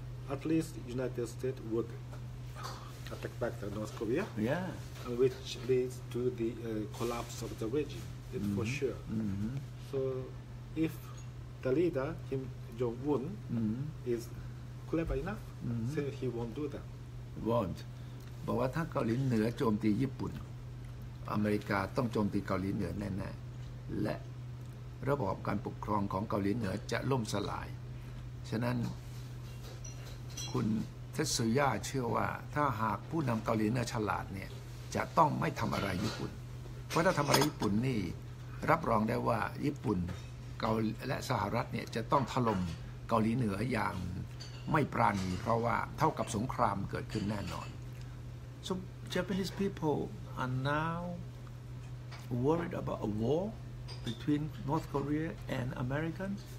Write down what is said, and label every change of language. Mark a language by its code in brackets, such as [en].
[en] at least United States would attack back the North Korea, which leads to the collapse of the regime, for sure. So if the leader, Kim Jong-un, is clever enough, say he won't do that. Won't. [th] บอกว่าถ้าเกาหลีเหนือโจมตีญี่ปุ่นอเมริกาต้องโจมตีเกาหลีเหนือแน่ๆและระบบการปกครองของเกาหลีเหนือจะล่มสลายฉะนั้นคุณ ทสุย่าเชื่อว่าถ้าหากผู้นำเกาหลีเหนือฉลาดเนี่ยจะต้องไม่ทำอะไรญี่ปุ่นเพราะถ้าทำอะไรญี่ปุ่นนี่รับรองได้ว่าญี่ปุ่นเกาหลีและสหรัฐเนี่ยจะต้องถล่มเกาหลีเหนืออย่างไม่ปราณีเพราะว่าเท่ากับสงครามเกิดขึ้นแน่นอน [en] So Japanese people are now worried about a war between North Korea and Americans?